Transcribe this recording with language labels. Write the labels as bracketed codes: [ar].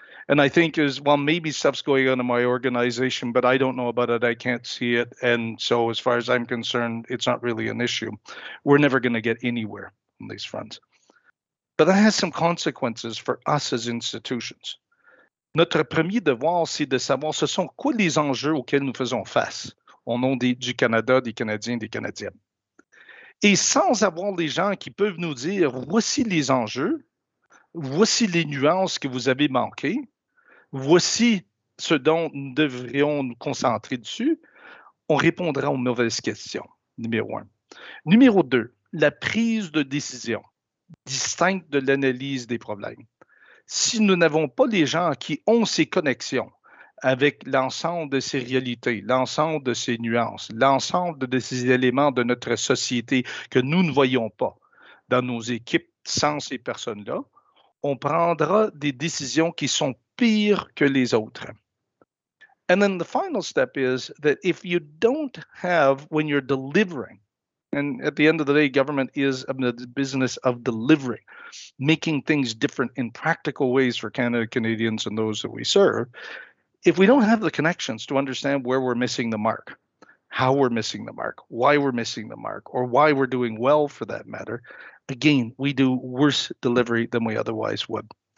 [en] And I think is, well, maybe stuff's going on in my organization, but I don't know about it, I can't see it. And so as far as I'm concerned, it's not really an issue. We're never going to get anywhere on these fronts. But that has some consequences for us as institutions. [fr] Notre premier devoir, c'est de savoir ce sont quoi les enjeux auxquels nous faisons face au nom du Canada, des Canadiens, des Canadiennes. Et sans avoir les gens qui peuvent nous dire, voici les enjeux, voici les nuances que vous avez manquées, voici ce dont nous devrions nous concentrer dessus, on répondra aux mauvaises questions, numéro un. Numéro deux, la prise de décision, distincte de l'analyse des problèmes. Si nous n'avons pas les gens qui ont ces connexions avec l'ensemble de ces réalités, l'ensemble de ces nuances, l'ensemble de ces éléments de notre société que nous ne voyons pas dans nos équipes sans ces personnes-là, on prendra des décisions qui sont pires que les autres. [en] And then the final step is that if you don't have, when you're delivering And at the end of the day, government is in the business of delivering, making things different in practical ways for Canada, Canadians, and those that we serve. If we don't have the connections to understand where we're missing the mark, how we're missing the mark, why we're missing the mark, or why we're doing well for that matter, again, we do worse delivery than we otherwise would.